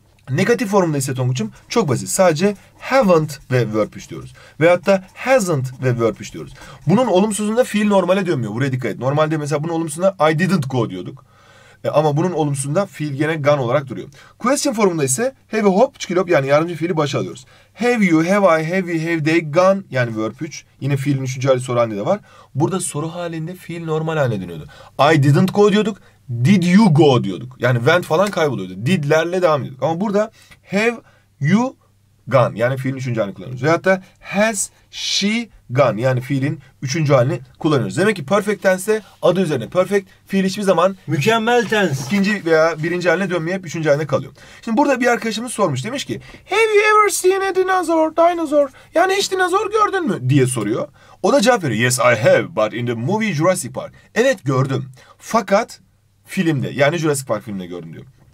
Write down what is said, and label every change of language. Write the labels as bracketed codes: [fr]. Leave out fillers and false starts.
[tr] Negatif formunda ise Tonguç'um çok basit. Sadece haven't ve verb üç diyoruz. Veyahut da hasn't ve verb üç diyoruz. Bunun olumsuzunda fiil normale dönmüyor. Buraya dikkat et. Normalde mesela bunun olumsuzunda [en] I didn't go [tr] diyorduk. Ama bunun olumsuzunda fiil gene gone olarak duruyor. Question formunda ise have a hop çikilop, yani yardımcı fiili başa alıyoruz. [en] Have you, have I, have we, have they gone, [tr] yani verb üç. Yine fiilin üçüncü hali soru halinde de var. Burada soru halinde fiil normal haline dönüyordu. [en] I didn't go [tr] diyorduk. [en] Did you go [tr] diyorduk. Yani went falan kayboluyordu. Did'lerle devam ediyorduk. Ama burada [en] have you gone, [tr] yani fiilin üçüncü halini kullanıyoruz. Veyahut da [en] has she gone, [tr] yani fiilin üçüncü halini kullanıyoruz. Demek ki perfect tense adı üzerine. Perfect fiil hiçbir zaman mükemmel tense ikinci veya birinci haline dönmeyip üçüncü haline kalıyor. Şimdi burada bir arkadaşımız sormuş. Demiş ki [en] have you ever seen a dinosaur? [tr] Dinosaur. Yani hiç dinozor gördün mü diye soruyor. O da cevap veriyor. [en] Yes I have, but in the movie Jurassic Park. [tr] Evet gördüm. Fakat filmde, yani Jurassic Park filminde gördüm diyor.